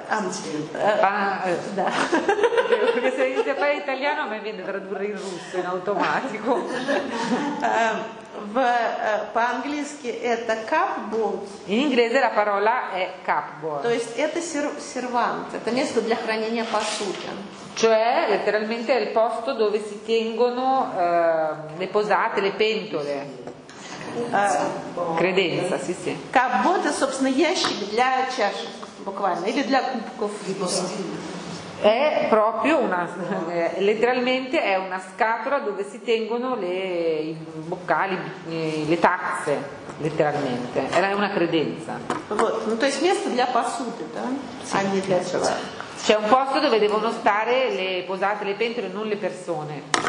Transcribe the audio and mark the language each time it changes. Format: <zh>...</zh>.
<it>Perché se inizia a fare italiano mi viene tradurre in russo in automatico.</it> <ru>По-английски это cupboard.</ru> <it>In inglese la parola è cupboard.</it> <ru>То есть это сервант, это место для хранения посуды.</ru> <it>Cioè letteralmente è il posto dove si tengono le posate, le pentole. Credenza, sì sì.</it> <ru>Cupboard è собственно ящик для чашек, буквально, или для кубков.</ru> <it>È proprio una letteralmente è una scatola dove si tengono i boccali, le tazze, letteralmente. È una credenza.</it> <ru>Вот, то есть место для посуды, да? А не для чашек.</ru> <it>C'è un posto dove devono stare le posate, le pentole, non le persone.</it>